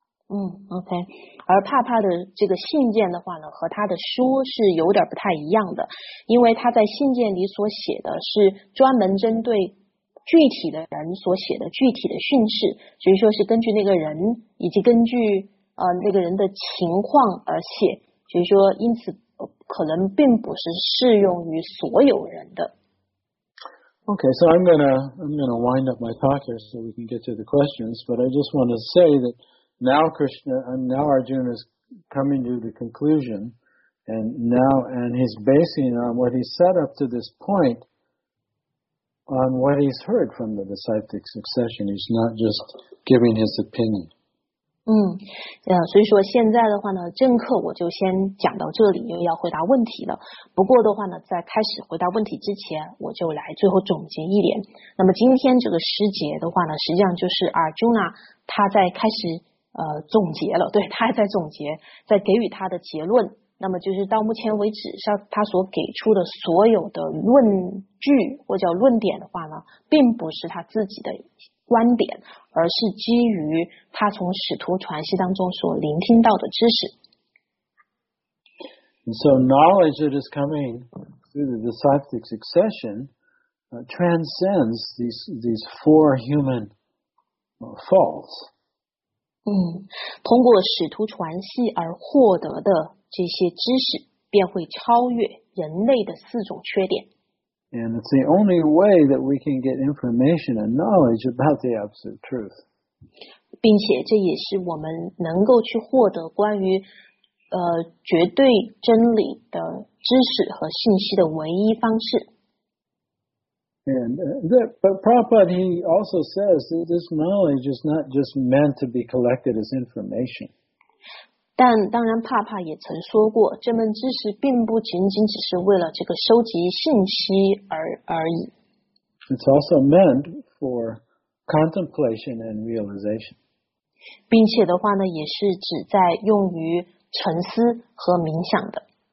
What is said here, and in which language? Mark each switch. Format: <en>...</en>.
<en>Okay.</en> <zh>而帕帕的这个信件的话呢，和他的书是有点不太一样的，因为他在信件里所写的是专门针对具体的人所写的具体的训示，所以说是根据那个人以及根据那个人的情况而写，所以说因此可能并不是适用于所有人的。</zh> <en>Okay, so I'm gonna wind up my talk here so we can get to the questions, but I just want to say that now Arjuna is coming to the conclusion, and he's basing on what he said up to this point. On what he's heard from the disciplic succession, he's not just giving his opinion.</en> <zh>所以说现在的话呢，正课我就先讲到这里，因为要回答问题了。不过的话呢，在开始回答问题之前，我就来最后总结一点。那么今天这个师节的话呢，实际上就是Arjuna他在开始总结了，对，他还在总结，在给予他的结论。那么就是到目前为止像他所给出的所有的论据或者论点的话呢，并不是他自己的观点，而是基于他从使徒传系当中所聆听到的知识。</zh> <en>And so knowledge that is coming through the disciplic succession transcends these four human faults.</en> <zh>通过使徒传系而获得的这些知识便会超越人类的四种缺点。</zh> <en>And it's the only way that we can get information and knowledge about the absolute truth.</en> <zh>并且这也是我们能够去获得关于绝对真理的知识和信息的唯一方式。</zh> <en>But Prabhupada, he also says that this knowledge is not just meant to be collected as information.</en> <zh>但当然帕帕也曾说过，这门知识并不仅仅只是为了这个收集信息而已。</zh> <en>It's also meant for contemplation and realization.</en> <zh>并且的话呢，也是旨在用于沉思和冥想的。</zh>